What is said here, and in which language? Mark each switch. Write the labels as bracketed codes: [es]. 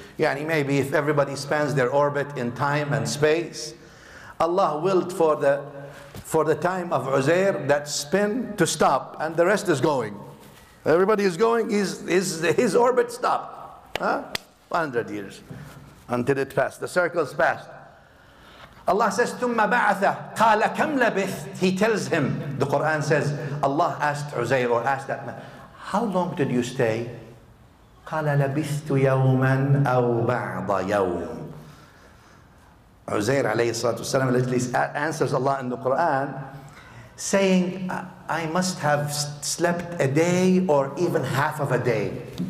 [en] Yani maybe if everybody spans their orbit in time and space, Allah willed for the time of Uzair, that spin to stop, and the rest is going. Everybody is going, his orbit stopped. 100 years until it passed, the circles passed. Allah says, [ar] ثُمَّ بَعَثَ قَالَ كَمْ لَبِثْتِ. [en] He tells him, the Quran says, Allah asked Uzair, or asked that man, how long did you stay? [ar] قَالَ لَبِثْتُ يَوْمًا أَوْ بَعْضَ يَوْمٍ. [en] Uzair alayhi salatu wasalam answers Allah in the Quran saying, I must have slept a day or even half of a day.